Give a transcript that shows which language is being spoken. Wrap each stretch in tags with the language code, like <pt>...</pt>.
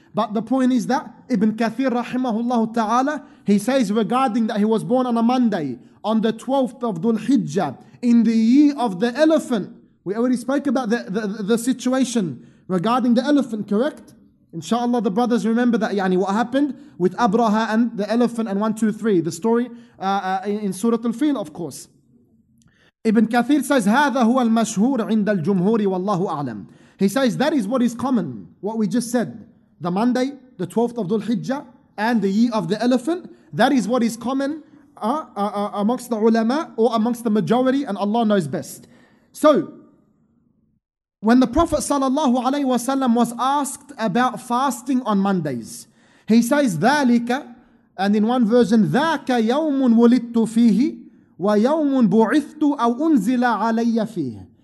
<en>But the point is that Ibn Kathir rahimahullah ta'ala, he says regarding that he was born on a Monday, on the 12th of Dhul Hijjah, in the year of the elephant. We already spoke about the situation regarding the elephant, correct? Inshallah, the brothers remember that, yani, what happened with Abraha and the elephant and 1, 2, 3, the story in Surah Al-Fil, of course.</en> <ar>Ibn Kathir says, هذا هو المشهور عند الجمهور والله أعلم.</ar> <en>He says, that is what is common, what we just said. The Monday, the 12th of Dhul Hijjah, and the year of the elephant, that is what is common amongst the ulama or amongst the majority, and Allah knows best. So, when the Prophet sallallahu alaihi wasallam was asked about fasting on Mondays, he says,</en> <ar>ذَلِكَ,</ar> <en>and in one version,</en> <ar>ذَاكَ يَوْمٌ وُلِدْتُ فِيهِ وَيَوْمٌ بُعِثْتُ أَوْ أُنزِلَ عَلَيَّ فِيهِ.</ar>